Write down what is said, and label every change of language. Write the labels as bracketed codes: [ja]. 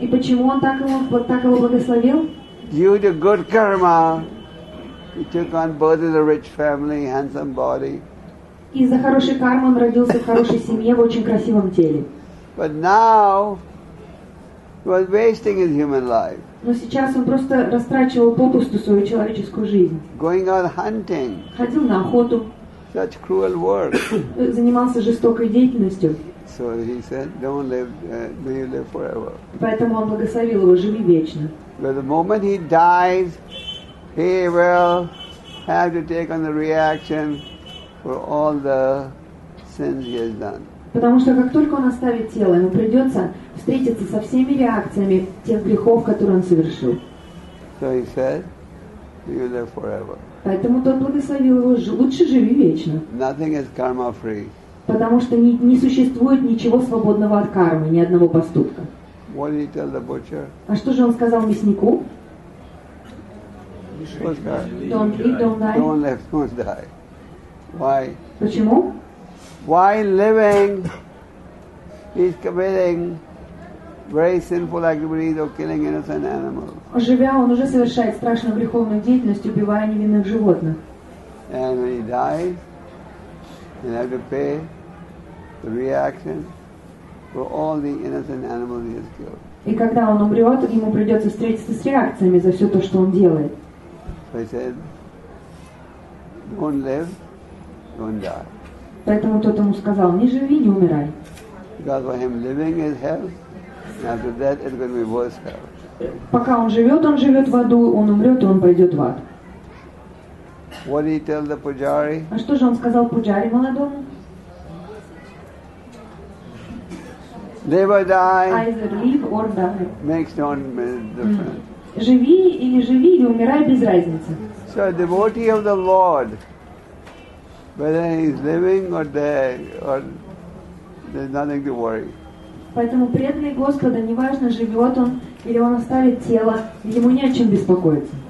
[ru] И почему он так его благословил? [en] Due to good karma, he took on birth in a rich family, handsome body. [ru] Из-за хорошей кармы он родился в хорошей семье, в очень красивом теле. [en] But now he was wasting his human life. [ru] Но сейчас он просто растрачивал попусту свою человеческую жизнь. [en] Going out hunting. [ru] Ходил на охоту. [en] Such cruel work. [ru] Занимался жестокой деятельностью. [en] So he said, "Don't live, may you live forever." [ru] Поэтому он благословил его: живи вечно. [en] But the moment he dies, he will have to take on the reaction for all the sins he has done. [ru] Потому что как только он оставит тело, ему придется встретиться со всеми реакциями тех грехов, которые он совершил. [en] So he said, "You live forever." [ru] Поэтому тот благословил его: лучше живи вечно. [en] Nothing is karma free. [ru] Потому что не существует ничего свободного от кармы, ни одного поступка. [en] What did he tell the butcher? [ru] А что же он сказал мяснику? [en] Don't live, don't die. Why? [ru] Почему? [en] Why living? He's committing very sinful activities of killing innocent animals. [ru] Живя, он уже совершает страшную греховную деятельность, убивая невинных животных. [en] And when he dies, he'll have to pay the reaction for all the innocent animals he has killed. [ru] И когда он умрет, ему придется встретиться с реакциями за все то, что он делает. [en] So he said, "Don't live, don't die." [ru] Поэтому тот ему сказал: не живи, не умирай. [en] Because for him living is hell, and after that it's going to be worse hell. [ru] Пока он живет в аду, он умрет, и он пойдет в ад. [en] What did he tell the pujari? [ru] А что же он сказал пуджари молодому? [en] Live or die. Either live or die. Makes no difference. [ru] живи или умирай, без разницы. [en] So a devotee of the Lord, whether he's living or dead, or there's nothing to worry. [ru] Поэтому преданный Господа, неважно, живет он или он оставит тело, ему не о чем беспокоиться.